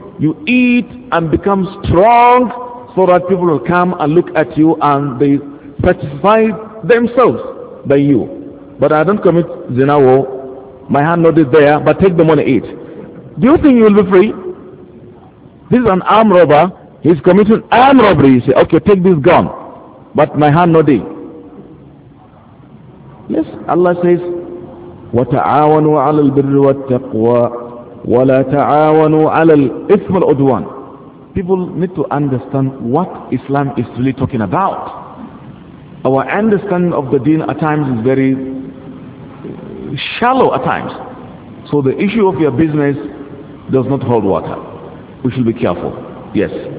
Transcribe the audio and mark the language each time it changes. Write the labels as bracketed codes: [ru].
[en] You eat and become strong so that people will come and look at you and they satisfy themselves by you. But I don't commit zina war. My hand not is there, but take the money, eat. Do you think you will be free? This is an armed robber. He's committing armed robbery. You say, okay, take this gun, but my hand not there. Yes, Allah says, [ar] وَتَعَاوَنُوا عَلَى الْبِرِّ وَالتَّقْوَى ولا تعاونوا على الإثم والعدوان. [en] People need to understand what Islam is really talking about. Our understanding of the deen at times is very shallow at times. So the issue of your business does not hold water. We should be careful. Yes.